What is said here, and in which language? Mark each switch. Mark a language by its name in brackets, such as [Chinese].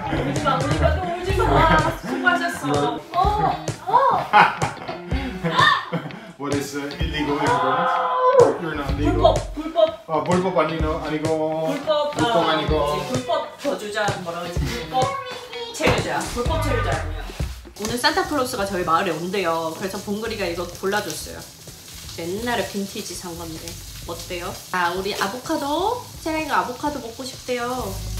[Korean] 오지마 오지마 또 오지마 수고하셨어. 어 어. [English] What is illegal immigrant? You're not legal. [Korean] 불법 불법. 아 불법 아니고 아니고. 불법 불법 아니고. 불법 거주자 뭐라고 하지? 불법 체류자 불법 체류자 아니야. 오늘 산타클로스가 저희 마을에 온대요. 그래서 봉그리가 이거 골라줬어요. 옛날에 빈티지 산 건데 어때요? 아 우리 아보카도 세라이가 아보카도 먹고 싶대요.